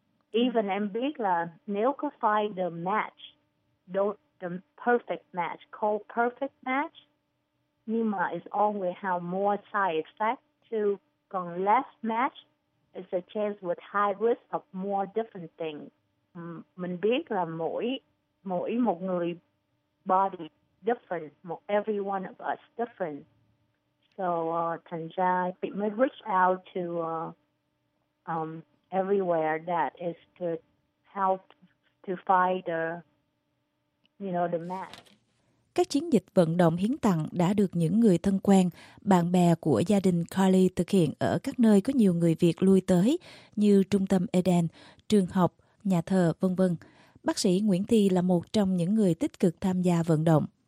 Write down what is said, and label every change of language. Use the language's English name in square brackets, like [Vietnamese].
[English] Even [Vietnamese] em biết là nếu có [English] find the match, the perfect match, called perfect match, [Vietnamese] nhưng mà [English] it's always have more side effect to [Vietnamese] còn [English] less match, it's a chance with high risk of more different things. [Vietnamese] Mình biết là mỗi một người [English] body different, every one of us different. So [Vietnamese] thành ra mình [English] reach out to everywhere that is to help to find the the match. [Vietnamese] Các chiến dịch vận động hiến tặng đã được những người thân quen, bạn bè của gia đình Carly thực hiện ở các nơi có nhiều người Việt lui tới như trung tâm Eden, trường học, nhà thờ, v.v. Bác sĩ Nguyễn Thi là một trong những người tích cực tham gia vận động.